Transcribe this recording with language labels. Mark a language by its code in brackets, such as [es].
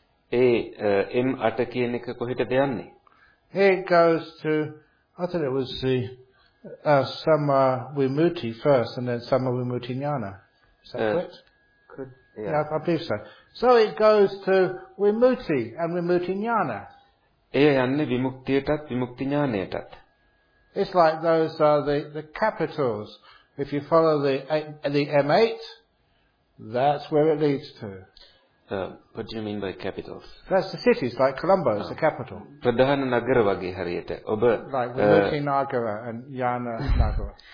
[si] M8 කියන එක කොහෙටද යන්නේ? [en] It goes to, I thought it was the Sama Vimutti first and then Sama Vimutti Jnana. Is that correct? Yeah. Yeah, I believe so. So it goes to Vimutti and Vimutti Jnana. [si] ඒ යන්නේ විමුක්තියටත් විමුක්ති ඥානයටත්. [en] It's like those are the capitals. If you follow the M8, that's where it leads to. What do you mean by capitals? That's the cities, like Colombo is the capital. [si] Pradhana Nagara wage hariyata. Oba [en] like Vimutti Nagara and Jnana Nagara.